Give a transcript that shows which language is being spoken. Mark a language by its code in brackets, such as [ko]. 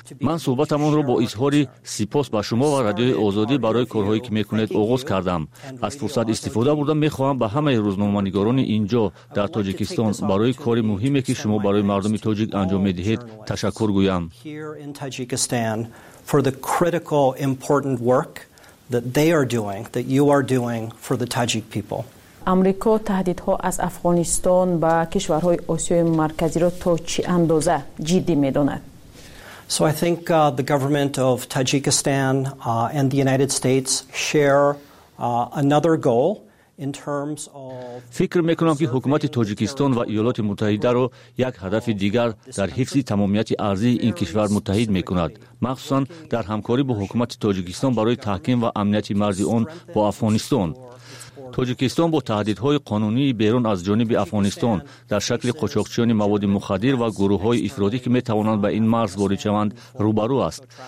[fa] من صحبتمون رو با اظهار سپاس به شما و رادیو آزادی برای کارهایی که میکنید آغاز کردم. از فرصت استفاده بردم، میخواهم به همه روزنامه‌نگاران اینجا در تاجیکستان برای کار مهمی که شما برای مردم تاجیک انجام میدهید تشکر گویم. [en] For the critical important work that they are doing, that you are doing for the Tajik people. [fa] آمریکا تهدیدها از افغانستان به کشورهای آسیای مرکزی را تا چه اندازه جدی میداند؟ [en] So I think the government of Tajikistan and the United States share another goal in terms of [fa] فکر میکنم که حکومت تاجیکستان و ایالات متحده را یک هدف دیگر در حفظ تمامیت ارضی این کشور متحد میکند، مخصوصا در همکاری با حکومت تاجیکستان برای تحکیم و امنیت مرزی آن با افغانستان. تاجیکستان با تهدیدهای قانونی بیرون از جانب افغانستان در شکل قاچاقچیان مواد مخدر و گروههای افرادی که می توانند به این مرز وارد شوند روبرو است.